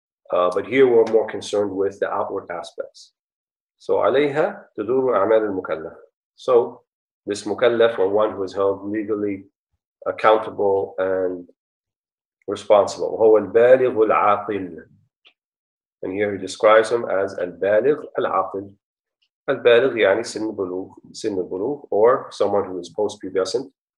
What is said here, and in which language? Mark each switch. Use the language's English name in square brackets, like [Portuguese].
[English] But here we're more concerned with the outward aspects. [Arabic] So, عليها تدور أعمال المكلف. [English] So, this mukallaf, or one who is held legally accountable and responsible. [Arabic] هو البالغ العاقل. [English] And here he describes him as [Arabic] البالغ العاقل. [English] Al-Baligh, [Arabic] يعني سن البلوغ, [English] or someone who is post-pubescent.